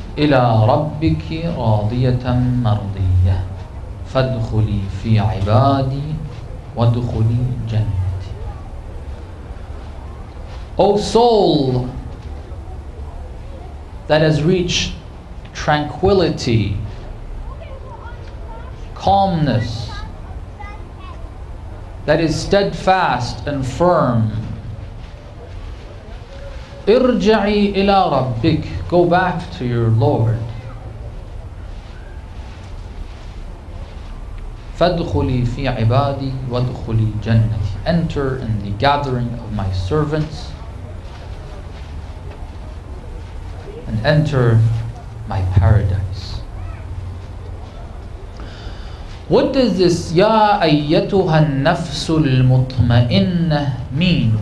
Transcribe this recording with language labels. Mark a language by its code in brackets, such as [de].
[ar] إلى ربك راضية مرضية فادخلي في عبادي وادخلي جنتي. [en] O soul that has reached tranquility, calmness, that is steadfast and firm, [ar] ارجعي إلى ربك, [en] go back to your Lord. [ar] فادخلي في عبادي وادخلي جنتي. [en] Enter in the gathering of my servants and enter my paradise. What does this [ar] يا أيتها النفس المطمئنة [en] mean?